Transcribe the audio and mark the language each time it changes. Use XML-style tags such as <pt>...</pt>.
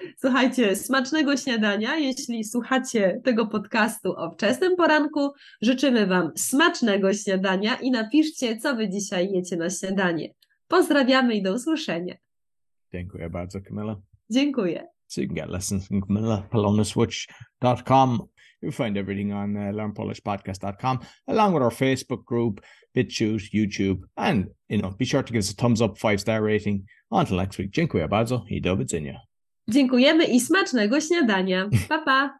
<pl>Słuchajcie, smacznego śniadania. Jeśli słuchacie tego podcastu o wczesnym poranku, życzymy Wam smacznego śniadania i napiszcie, co Wy dzisiaj jecie na śniadanie. Pozdrawiamy i do usłyszenia. Dziękuję bardzo, Kamila. Dziękuję.</pl> <en>So you can get lessons from Kamila, PolonaSwitch.com. You'll find everything on LearnPolishPodcast.com, along with our Facebook group, BitChute, YouTube, and be sure to give us a thumbs up, 5-star rating. Until next week.</en> <pl>Dziękuję bardzo i do widzenia. Dziękujemy i smacznego śniadania. Pa, pa.</pl>